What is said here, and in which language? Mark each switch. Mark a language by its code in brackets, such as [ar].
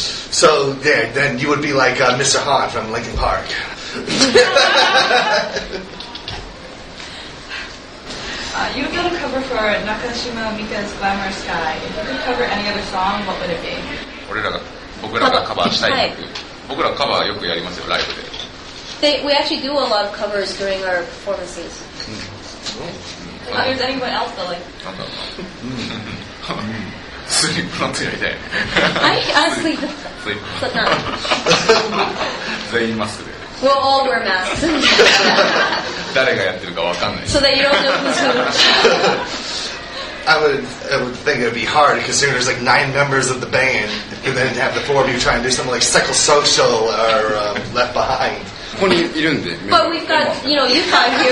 [en] So there, yeah, then you would be like Mr. Hart from Linkin Park. you've done a cover for Nakashima Mika's Glamour Sky. If you could cover any other song, what would it be? [ja] 俺らが、僕らがカバーしたい曲。はい、僕らカバーよくやりますよ、ライブで。 [en] We actually do a lot of covers during our performances. Mm. Mm. How does anyone else feel like? [ja] なんだろうな。スリップノットやりたい。はい、スリップノット。スリップノット。全員マスクで。 [en] We'll all wear masks. [ja] 誰がやってるか分かんない。 [en] So that you don't know who's who. I would think it would be hard because there's like 9 members of the band and then have the 4 of you try and do something like psychosocial or left behind. [ja] ここにいるんで。 [en] But we've got, you know, you five here.